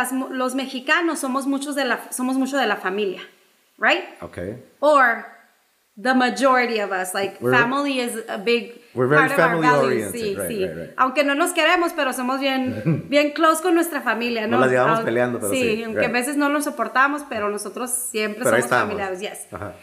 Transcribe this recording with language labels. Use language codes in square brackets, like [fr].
[es] Los mexicanos somos mucho de la familia, right? [en] Okay. Or the majority of us, like, family is a big part of our values. We're very family oriented, right. [es] Aunque no nos queremos, pero somos bien close con nuestra familia, ¿no? Nos la llevamos peleando, pero sí. Sí, aunque a veces no nos soportamos, pero nosotros siempre somos familiares. Yes. Uh-huh.